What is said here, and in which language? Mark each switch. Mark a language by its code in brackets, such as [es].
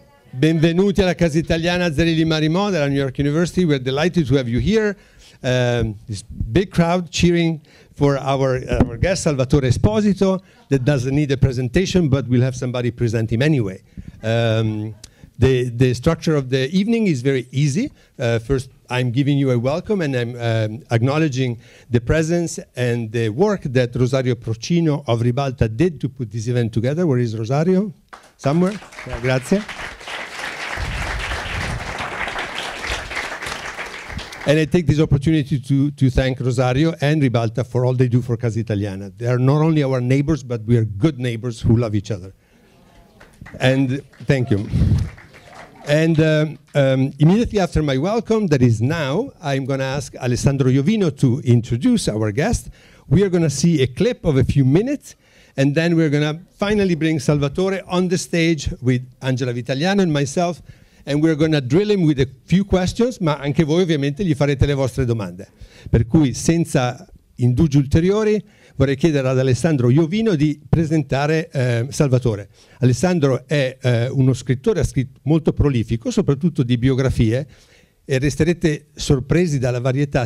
[it] Benvenuti alla Casa Italiana Zerilli Marimoda della New York University. [en] We're delighted to have you here. This big crowd cheering for our guest, Salvatore Esposito, that doesn't need a presentation, but we'll have somebody present him anyway. The structure of the evening is very easy. First, I'm giving you a welcome and I'm acknowledging the presence and the work that Rosario Procino of Ribalta did to put this event together. Where is Rosario? Somewhere? Yeah, grazie. And I take this opportunity to thank Rosario and Ribalta for all they do for Casa Italiana. They are not only our neighbors, but we are good neighbors who love each other. And thank you. And immediately after my welcome, that is now, I'm going to ask Alessandro Iovino to introduce our guest. We are going to see a clip of a few minutes, and then we're going to finally bring Salvatore on the stage with Angela Vitaliano and myself. And we're going to drill him with a few questions, [it] ma anche voi ovviamente gli farete le vostre domande. Per cui, senza indugi ulteriori, vorrei chiedere ad Alessandro Iovino di presentare Salvatore. Alessandro è uno scrittore, ha scritto molto prolifico, soprattutto di biografie, e resterete sorpresi dalla varietà.